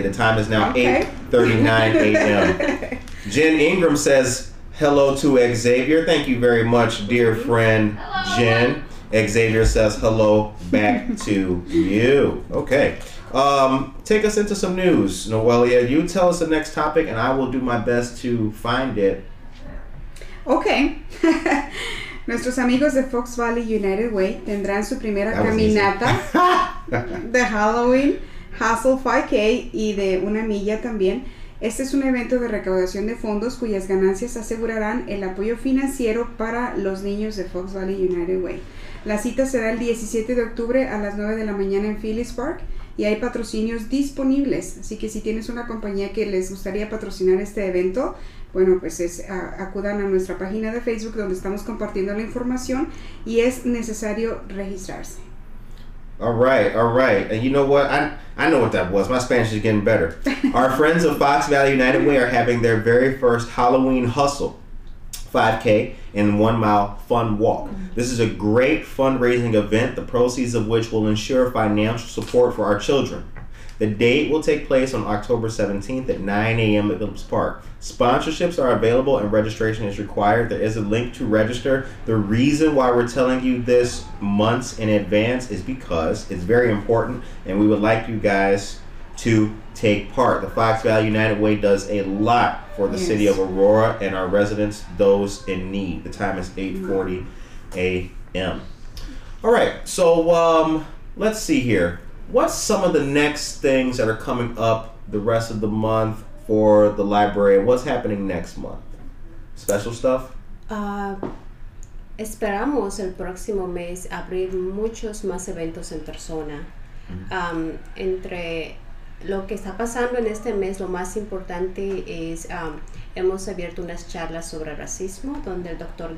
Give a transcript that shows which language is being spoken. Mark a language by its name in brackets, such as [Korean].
[English] The time is now 8:39 a.m. Jen Ingram says, hello to Xavier. Thank you very much, dear friend. Hello. Jen. Xavier says, hello back to you. Okay. Take us into some news, Noelia. You tell us the next topic, and I will do my best to find it. Okay. [Spanish] Nuestros amigos de Fox Valley United Way tendrán su primera caminata de Halloween, Hustle 5K y de una milla también. Este es un evento de recaudación de fondos cuyas ganancias asegurarán el apoyo financiero para los niños de Fox Valley United Way. La cita será el 17 de octubre a las 9 de la mañana en Phillips Park. Y hay patrocinios disponibles, así que si tienes una compañía que les gustaría patrocinar este evento, acudan a nuestra página de Facebook donde estamos compartiendo la información y es necesario registrarse. [English] All right. And you know what? I know what that was. My Spanish is getting better. Our friends of Fox Valley United Way are having their very first Halloween Hustle 5K and 1 mile fun walk. This is a great fundraising event, the proceeds of which will ensure financial support for our children. The date will take place on October 17th at 9 a.m. at Phillips Park. Sponsorships are available and registration is required. There is a link to register. The reason why we're telling you this months in advance is because it's very important and we would like you guys to take part. The Fox Valley United Way does a lot for the city of Aurora and our residents, those in need. The time is 8:40 a.m. All right, so let's see here. What's some of the next things that are coming up the rest of the month for the library? What's happening next month? Special stuff? [Spanish] Esperamos el próximo mes abrir muchos más eventos en persona. Mm-hmm. Entre lo que está pasando en este mes, lo más importante es hemos abierto unas charlas sobre racismo donde el Dr.